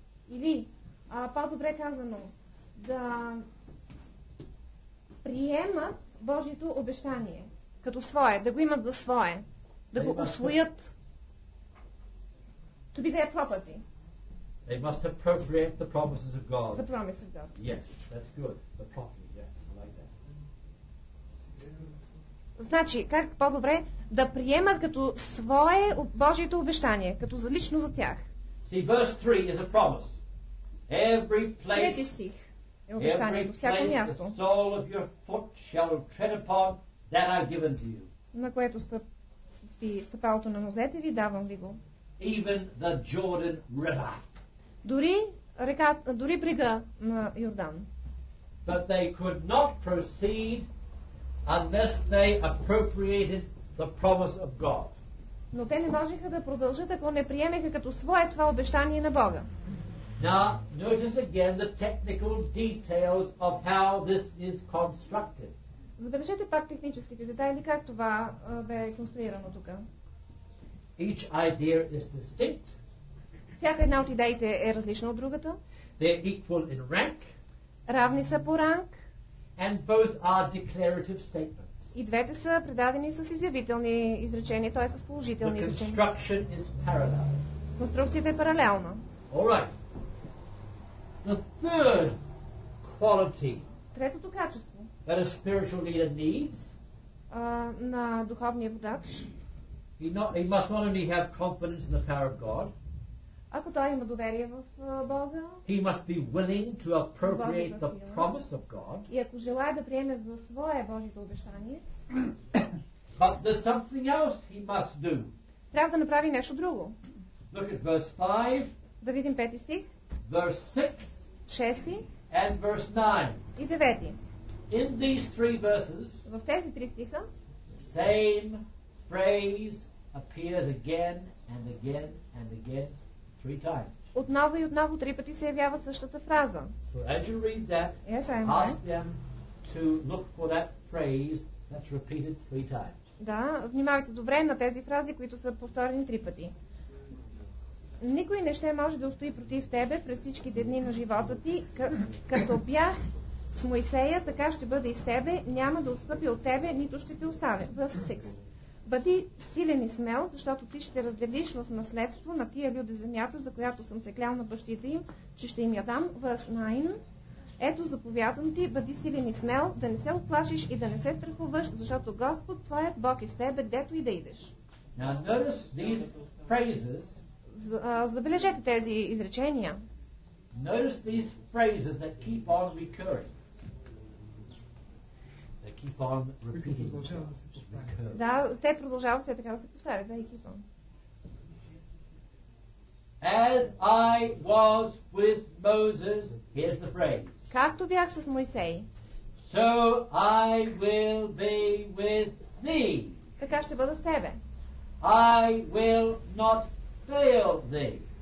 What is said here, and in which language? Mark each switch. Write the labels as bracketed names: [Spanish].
[Bulgarian] Или, по-добре казано, да приемат Божието обещание като свое, да го имат за свое, да [English] they [Bulgarian] го освоят. [English] To be their property. They must appropriate the promises of God. The promises of God. Yes, that's good. The property, yes, I like that. [Bulgarian] Значи, как по-добре да приемат като свое Божието обещание, като за лично за тях. [English] See, verse 3 is a promise. Every place, [Bulgarian] стих е обещанието, всяко място, [English] the sole of your foot shall tread upon, that I've given to you. [Bulgarian] На което стъпи стъпалото на нозете ви, давам ви го. [English] Even the Jordan River. [Bulgarian] Дори река, дори брега на Йордан. [English] But they could not proceed unless they appropriated the promise of God. [Bulgarian] Но те не можеха да продължат, ако не приемеха като свое това обещание на Бога. [English] Now, notice again the technical details of how this is constructed. [Bulgarian] Забележете пак техническите детайли как това бе конструирано тук. [English] Each idea is distinct. [Bulgarian] Всяка една от идеите е различна от другата. [English] They're equal in rank. [Bulgarian] Равни са по ранг. [English] And both are declarative statements. [Bulgarian] И двете са предадени с изявителни изречения, т.е. с положителни изречения. [English] The construction is parallel. [Bulgarian] Конструкцията е паралелна. [English] All right. The third quality. [Bulgarian] Третото качество. [English] That a spiritual leader needs. [Bulgarian] На духовния водач. [English] He must not only have confidence in the power of God. [Bulgarian] Ако той има доверие в Бога, [English] he must be willing to appropriate the promise of God. [Bulgarian] И ако желая да приеме за свое Божието обещание, [English] but there's something else he must do. [Bulgarian] Трябва да направи нещо друго. [English] Look at verse 5. [Bulgarian] Да видим пети стих. [English] Verse 6. [Bulgarian] Шести. [English] And verse 9. [Bulgarian] И девети. [English] In these three verses, [Bulgarian] в тези три стиха, [English] the same phrase appears again and again and again. Three times. [Bulgarian] Отново и отново три пъти се явява същата фраза. [English] So as you read that, yes, ask them to look for that phrase that's repeated three times. [Bulgarian] Да, внимавайте добре на тези фрази, които са повторени три пъти. Никой не ще може да устои против тебе през всичките дни на живота ти, като бях с Моисея, така ще бъде и с тебе, няма да отстъпя от тебе, нито ще те оставя. [English] Verse 6. [Bulgarian] Бъди силен и смел, защото ти ще разделиш в наследство на тия люди земята, за която съм се клял на бащите им, че ще им я дам. [English] Verse 9. [Bulgarian] Ето заповядам ти, бъди силен и смел, да не се оплашиш и да не се страхуваш, защото Господ, твоят Бог е с тебе, дето и да идеш. [English] Now notice these phrases. [Bulgarian] Забележете тези изречения. [English] Notice these phrases that keep on recurring. They keep on repeating. [Bulgarian] Да, те продължават се така да се повтарят, да, [English] keep on. As I was with Moses, here's the phrase. [Bulgarian] Както бях с Моисей. [English] So I will be with thee. [Bulgarian] Така ще бъда с тебе. [English] I will not fail thee.